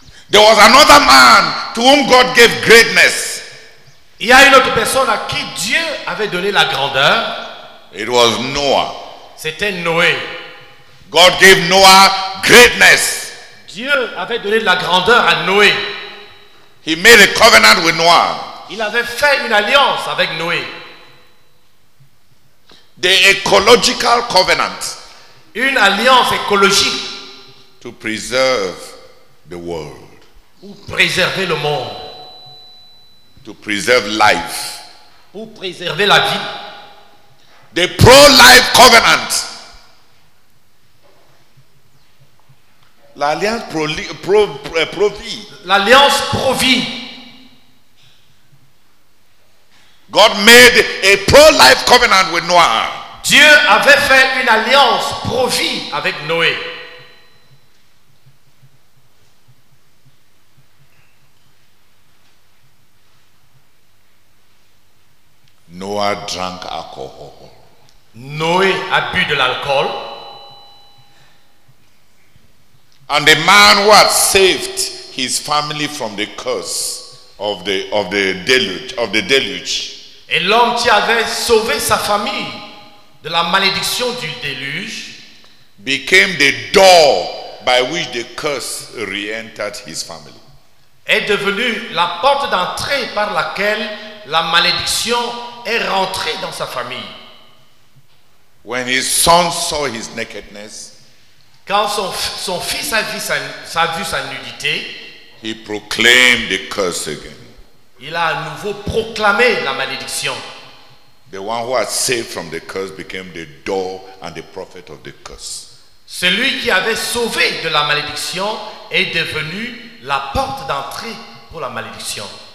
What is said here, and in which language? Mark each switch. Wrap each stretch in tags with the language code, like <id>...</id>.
<en>There was another man to whom God gave greatness.</en> <fr>Il y a une autre personne à qui Dieu avait donné la grandeur.</fr> <en>It was Noah.</en> <fr>C'était Noé.</fr> <en>God gave Noah greatness.</en> <fr>Dieu avait donné de la grandeur à Noé.</fr> <en>He made a covenant with Noah.</en> <fr>Il avait fait une alliance avec Noé.</fr> <en>The ecological covenant.</en> <fr>Une alliance écologique.</fr> <en>To preserve the world.</en> <fr>Pour préserver le monde.</fr> <en>To preserve life.</en> <fr>Pour préserver la vie.</fr> <en>the pro-life covenant.</en> <fr>L'alliance pro-vie. L'alliance pro-vie.</fr> <en>God made a pro-life covenant with Noah.</en> <fr>Dieu avait fait une alliance pro-vie avec Noé.</fr> <en>Noah drank alcohol.</en> <fr>Noé a bu de l'alcool.</fr> <en>And the man who had saved his family from the curse of the deluge.</en> <fr>Et l'homme qui avait sauvé sa famille de la malédiction du déluge</fr> <en>became the door by which the curse re-entered his family.</en> <fr>Est devenu la porte d'entrée par laquelle la malédiction est rentrée dans sa famille.</fr> <en>When his son saw his nakedness,</en> <fr>quand son fils a vu sa nudité,</fr> <en>he proclaimed the curse again.</en> <fr>Il a à nouveau proclamé la malédiction.</fr> <en>The one who had saved from the curse became the door and the prophet of the curse.</en> <fr>Celui qui avait sauvé de la malédiction est devenu la porte d'entrée pour la malédiction.</fr>